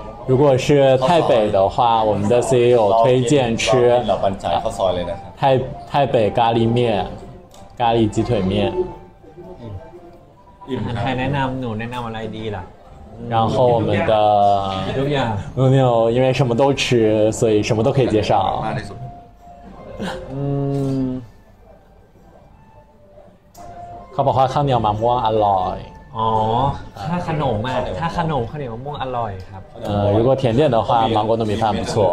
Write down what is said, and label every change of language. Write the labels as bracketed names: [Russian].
[Chinese] 如果是泰北的话我们的 CEO 推荐吃 [Thai] 老板仔ข้าวซอยเลยนะครั [Chinese] บ泰北咖喱面咖喱鸡腿面 [Thai] อิ่มใครแนะนำหนูแนะนำอะไรดีล่ะ [Chinese] 然后我们的没有，因为什么都吃，所以什么都可以介绍。 [Thai] 嗯，เขาบอกว่าข้าวเหนียวมะม่วงอร่อย。哦，ถ้าขนมอ่ะถ้าขนมข้าวเหนียวมะม่วงอร่อยครับ。 [Chinese] 如果甜点的话，芒果糯米饭不错。